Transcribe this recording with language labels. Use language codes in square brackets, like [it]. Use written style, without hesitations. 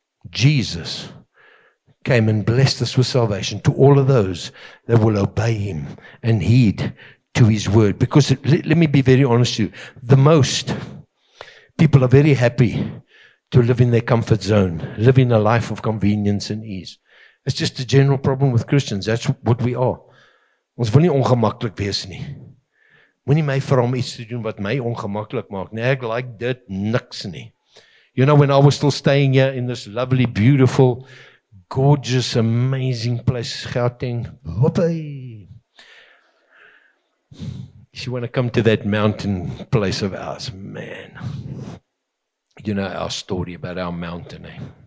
[en] Jesus came and blessed us with salvation to all of those that will obey him and heed to his word. Because let me be very honest with you. The most people are very happy to live in their comfort zone, live in a life of convenience and ease. It's just a general problem with Christians. That's what we are. [af] Ons wil nie ongemaklik wees nie. Moenie my vra om iets te doen wat my ongemaklik maak. Nee, ek like dit niks nie. [en] You know, when I was still staying here in this lovely, beautiful, gorgeous, amazing place, Gauteng. Whoopee. If you want to come to that mountain place of ours, man, you know our story about our mountain, eh?